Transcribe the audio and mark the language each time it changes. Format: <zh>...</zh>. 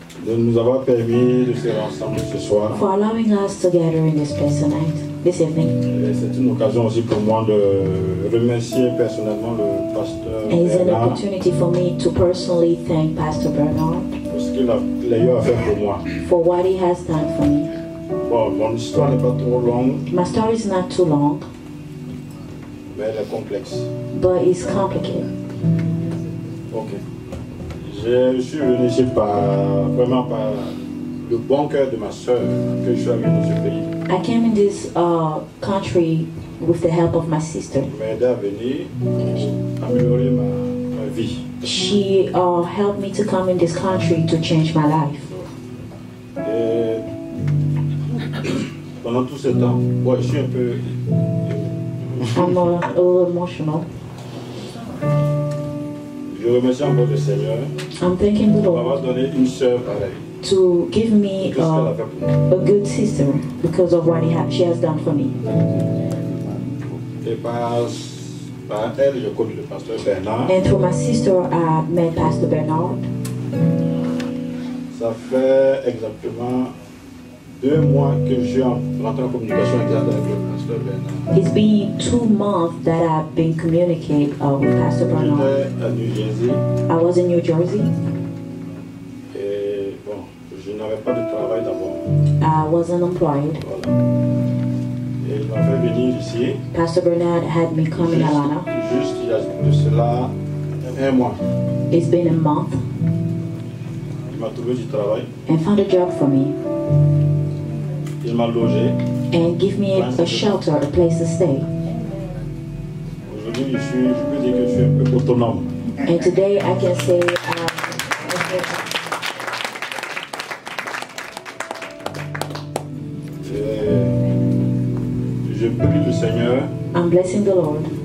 <fr>De nous avoir permis de se rassembler ce soir.</fr> <en>For allowing us to gather in this place tonight, this evening.</en> <fr>Et c'est une occasion aussi pour moi de remercier personnellement le pasteur Bernard.</fr> <en>It's an opportunity for me to personally thank Pastor Bernard.</en> <fr>Pour ce qu'il a fait pour moi.</fr> <en>For what he has done for me.</en> <fr>Bon, mon histoire n'est pas trop longue.</fr> <en>My story is not too long.</en> <fr>Mais elle est complexe.</fr> <en>But it's complicated. Ok.</en> <fr>Je suis venu ici vraiment par le bon cœur de ma sœur que je suis amené dans ce pays.</fr> <en>I came in this country with the help of my sister.</en> <fr>M'aider à venir, améliorer ma vie.</fr> <en>She helped me to come in this country to change my life.</en> <fr>Et pendant tout ce temps, ouais, je suis un peu.</fr> <en>I'm a little emotional.</en> <fr>Je remercie encore le Seigneur.</fr> <en>I'm thanking the Lord.</en> <fr>M'avoir donné une sœur pareille.</fr> <en>To give me a good sister because of what she has done for me.</en> <fr>Et par elle, je connais le pasteur Bernard.</fr> <en>And through my sister, I met Pastor Bernard.</en> <fr>Ça fait exactement 2 mois que je suis rentré en communication avec le pasteur Bernard.</fr> <en>It's been 2 months that I've been communicating with Pastor Bernard.</en> <fr>J'étais à New Jersey.</fr> <en>I was in New Jersey.</en> <fr>Et bon, je n'avais pas de travail d'abord.</fr> <en>I was unemployed.</en> <fr>Voilà. Et il m'a fait venir ici.</fr> <en>Pastor Bernard had me come in Atlanta.</en> <fr>Juste il y a de cela un mois.</fr> <en>It's been a month.</en> <fr>Il m'a trouvé du travail.</fr> <en>And found a job for me.</en> <fr>Il m'a logé.</fr> <en>And give me a shelter, a place to stay.</en> <fr>Aujourd'hui, je peux dire que je suis un peu autonome.</fr> <en>And today I can say</en> <fr>je prie le Seigneur.</fr> <en>I'm blessing the Lord.</en>